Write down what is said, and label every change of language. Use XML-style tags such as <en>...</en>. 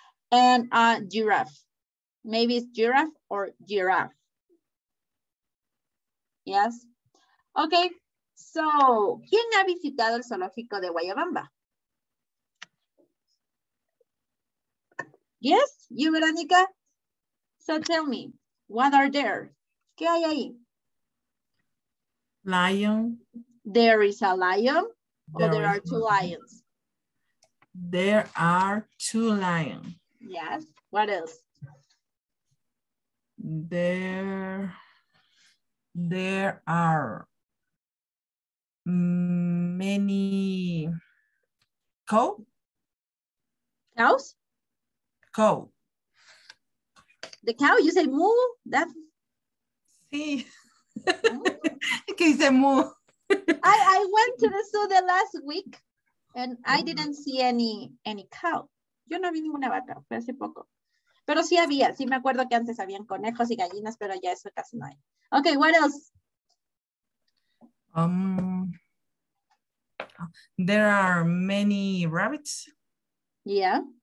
<en>And a giraffe, maybe it's giraffe or giraffe. Yes, okay, so,</en> <es>¿quién ha visitado el zoológico de Guayabamba?</es> <en>Yes, you, Veronica. So tell me, what are there?</en> <es>¿Qué hay ahí?</es> <en>Lion. There is a lion, or there are two lions? There are two lions. Yes, what else? There are many cows. Cow. The cow, you say moo? That's...</en> <es>Sí. ¿Qué dice Mu?</es> <en>I went to the zoo the last week and I didn't see any cow.</en> <es>Yo no vi ninguna vaca, fue hace poco. Pero sí había, sí me acuerdo que antes habían conejos y gallinas, pero ya eso casi no hay.</es> <en>Ok, what else? There are many rabbits. Yeah.</en>